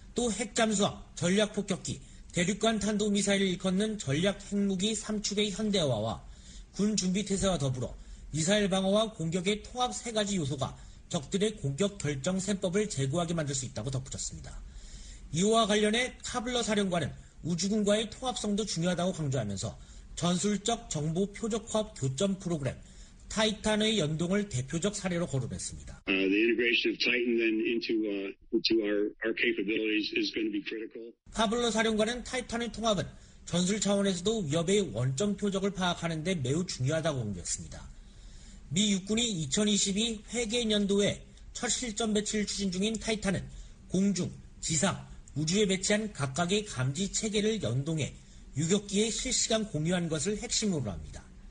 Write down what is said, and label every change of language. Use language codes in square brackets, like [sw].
[ko] 또 핵잠수함, 전략폭격기, 대륙간 탄도미사일을 일컫는 전략핵무기 3축의 현대화와 군 준비태세와 더불어 미사일 방어와 공격의 통합 세 가지 요소가 적들의 공격 결정 셈법을 제고하게 만들 수 있다고 덧붙였습니다. 이와 관련해 카블러 사령관은 우주군과의 통합성도 중요하다고 강조하면서 전술적 정보 표적화 교점 프로그램 타이탄의 연동을 대표적 사례로 거론했습니다. [en] The integration of Titan then into our capabilities is going to be critical. [ko] 카블러 사령관은 타이탄의 통합은 전술 차원에서도 위협의 원점 표적을 파악하는 데 매우 중요하다고 강조했습니다. 미 육군이 2022 회계 연도에 첫 실전 배치를 추진 중인 타이탄은 공중, 지상, 우주에 배치한 각각의 감지 체계를 연동해 유격기에 실시간 공유한 것을 핵심으로 합니다.